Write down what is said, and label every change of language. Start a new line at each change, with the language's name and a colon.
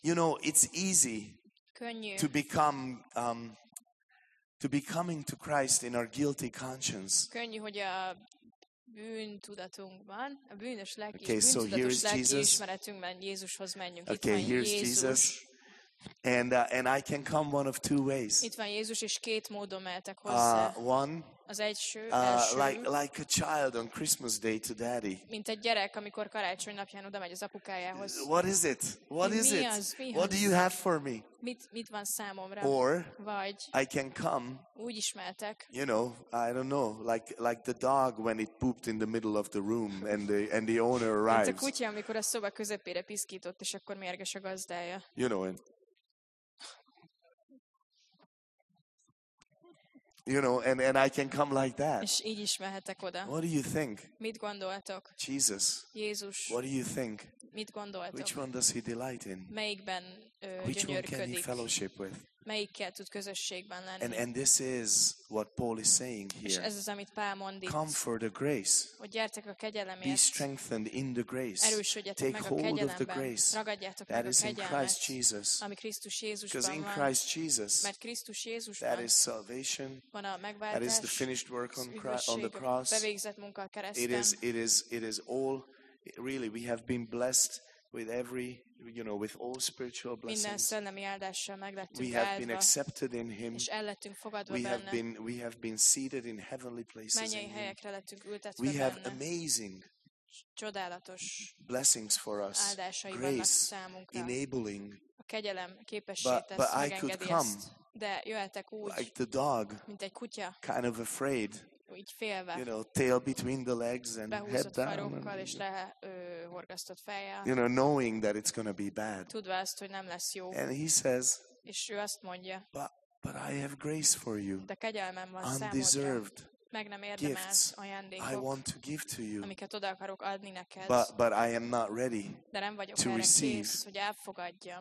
English: You know, it's easy
Hungarian: könnyű.
English: To become to be coming to Christ in our guilty conscience.
Hungarian: Könnyű, hogy a bűntudatunkban, a bűnös lelki
English: okay, so
Hungarian: bűntudatos lelki ismeretünkben Jézushoz menjünk.
English: Okay,
Hungarian: itt van
English: here's
Hungarian: Jézus.
English: Jesus. And I can come one of two ways.
Hungarian: Itt van Jézus, és két módon mehetek hozzá.
English: One.
Hungarian: Az első.
English: Like a child on Christmas day to daddy.
Hungarian: Mint egy gyerek, amikor karácsony napján oda megy az apukájához.
English: What is it? What is it?
Hungarian: Mi az?
English: What do you have for me?
Hungarian: Mit van számomra?
English: Or
Hungarian: vagy
English: I can come.
Hungarian: Úgy is mehetek.
English: You know, I don't know, like the dog when it pooped in the middle of the room and the owner arrives.
Hungarian: Mint a kutya, amikor a szoba közepére piszkított, és akkor mérges a gazdája.
English: You know, and you know, and I can come like that.
Hungarian: És így is mehetek oda.
English: What do you think?
Hungarian: Mit gondoltok?
English: Jesus.
Hungarian: Jézus.
English: What do you think?
Hungarian: Mit gondoltok?
English: Which one does he delight in?
Hungarian: Melyikben gyönyörködik?
English: Which one can he fellowship with?
Hungarian: Melyikkel tud közösségben lenni?
English: And this is what Paul is saying here.
Hungarian: És ez az, amit Pál mond itt.
English: Come for the grace.
Hungarian: Hogy gyertek a kegyelemért.
English: Be strengthened in the grace.
Hungarian: Erősödjetek
English: Take
Hungarian: meg
English: hold
Hungarian: a kegyelemben.
English: Of the grace.
Hungarian: Ragadjátok
English: that
Hungarian: meg
English: is
Hungarian: a kegyelmet,
English: in Christ Jesus.
Hungarian: Ami Krisztus Jézusban van.
English: Because in Christ Jesus.
Hungarian: Mert Krisztus Jézusban.
English: That is salvation.
Hungarian: Van a megváltás.
English: That is the finished work on the cross.
Hungarian: Bevégzett munka a kereszten.
English: It is all really we have been blessed with every you know with all spiritual blessings.
Hungarian: Minden szellemi áldással meglettünk áldva.
English: We have been accepted in him.
Hungarian: És el lettünk fogadva benne.
English: We have been seated in heavenly places.
Hungarian: Mennyei helyekre lettünk ültetve benne.
English: We have amazing
Hungarian: csodálatos
English: blessings for us.
Hungarian: Áldásai
English: grace
Hungarian: vannak számunkra.
English: Enabling
Hungarian: a kegyelem képessé tesz, megengedi ezt. De jöhetek úgy,
English: like the dog,
Hungarian: mint egy kutya.
English: Kind of afraid.
Hungarian: Így félve,
English: you know, tail between the legs and head down. You know, knowing that it's going to be bad.
Hungarian: Tudva azt, hogy nem lesz jó.
English: And he says,
Hungarian: és ő azt mondja,
English: but I have grace for you.
Hungarian: De kegyelmem van számodra.
English: Undeserved
Hungarian: meg nem érdemelt
English: gifts
Hungarian: ajándékok,
English: I want to give to you.
Hungarian: Amiket oda akarok adni neked.
English: But I am not ready
Hungarian: de nem vagyok
English: to receive,
Hungarian: kész, hogy elfogadjam.